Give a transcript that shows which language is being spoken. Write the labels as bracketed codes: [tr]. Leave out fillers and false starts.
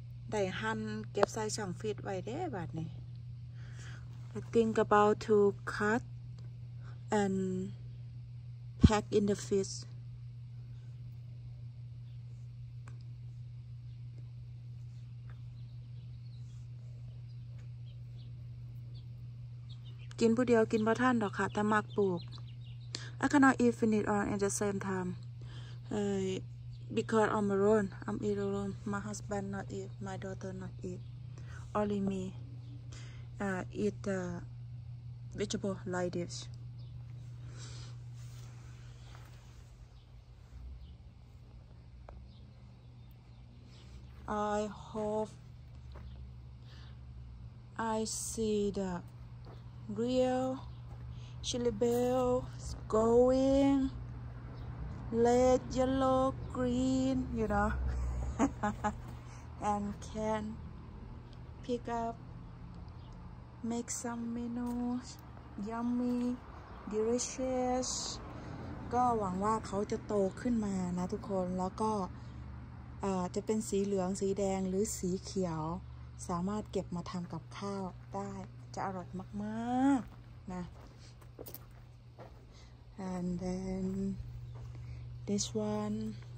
[th] ได้หั่นเก็บใส่ช่องฟิตไว้เด้บัดนี้ [en] I think about to cut and pack in the fridge [th] กินผู้เดียวกินบ่ทันดอกค่ะถ้ามักปลูก [en] I cannot eat finish all at the same timeBecause I'm alone, I'm eat alone. My husband not eat, my daughter not eat. Only me eat the vegetable like this. I hope I see the real chili bell going. Red, yellow, green, you know, and can pick up, make some menus, yummy, delicious. [th] ก็หวังว่าเขาจะโตขึ้นมานะทุกคนแล้วก็จะเป็นสีเหลืองสีแดงหรือสีเขียวสามารถเก็บมาทำกับข้าวได้จะอร่อยมากๆนะ [en] and thenThis one.